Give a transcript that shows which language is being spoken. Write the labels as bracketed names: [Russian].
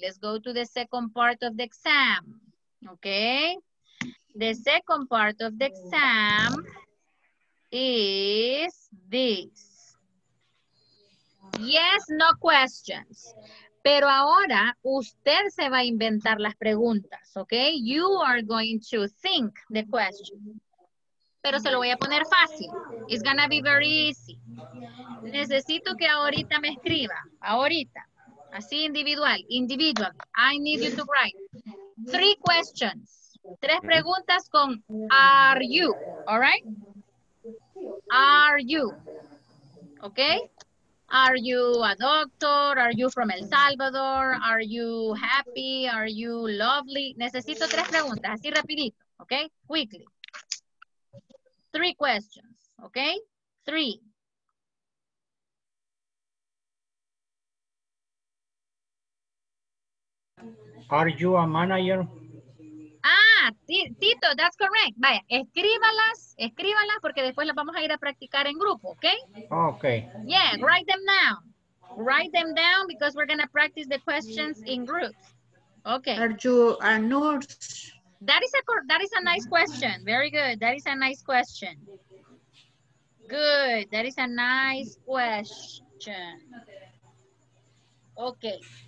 [English] Let's go to the second part of the exam. Okay? The second part of the exam is this. Yes, no questions. [Spanish] Pero ahora usted se va a inventar las preguntas, okay? [English] You are going to think the question. [Spanish] Pero se lo voy a poner fácil. [English] It's gonna be very easy. [Spanish] Necesito que ahorita me escriba. Ahorita. Así individual. Individual. [English] I need you to write. Three questions. [Spanish] Tres preguntas con [English] are you. All right? Are you. Okay? Are you a doctor? Are you from El Salvador? Are you happy? Are you lovely? [Spanish] Necesito tres preguntas. Así rapidito. [English] Okay? Quickly. Three questions, okay? Three. Are you a manager? Ah, Tito, that's correct. [Spanish] Vaya, escríbalas, porque después las vamos a ir a practicar en grupo, okay? [English] Okay. Yeah, write them down. Write them down because we're gonna practice the questions in groups. Okay. Are you a nurse? That is a nice question. Very good. That is a nice question. Good. That is a nice question. Okay.